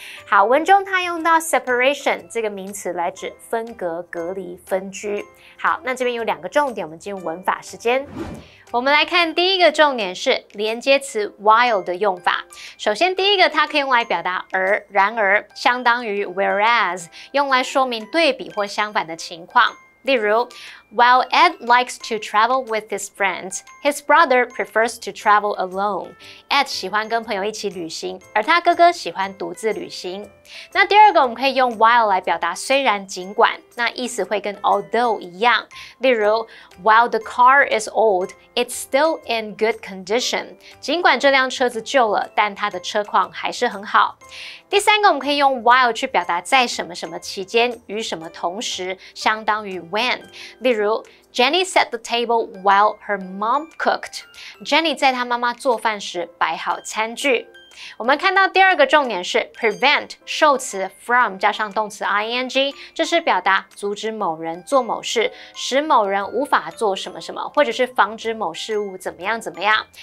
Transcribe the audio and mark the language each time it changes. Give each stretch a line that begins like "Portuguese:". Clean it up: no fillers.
Chinese: 好，文中他用到 separation 这个名词来指分隔、隔离、分居。好，那这边有两个重点，我们进入文法时间。我们来看第一个重点是连接词 while 的用法。首先第一个它可以用来表达而、然而，相当于 whereas， 用来说明对比或相反的情况。例如
English: ，While Ed likes to travel with his friends, his brother prefers to travel alone.
Chinese: Ed 喜欢跟朋友一起旅行，而他哥哥喜欢独自旅行。那第二个，我们可以用 while 来表达虽然、尽管，那意思会跟 although 一样。例如
English: ，While the car is old, it's still in good condition.
Chinese: 尽管这辆车子旧了，但它的车况还是很好。第三个，我们可以用 while 去表达在什么什么期间、与什么同时，相当于 when。例如
English: ，Jenny set the table while her mom cooked。
Chinese: Jenny 在她妈妈做饭时摆好餐具。我们看到第二个重点是 prevent 受词 from 加上动词 ing， 这是表达阻止某人做某事，使某人无法做什么什么，或者是防止某事物怎么样怎么样。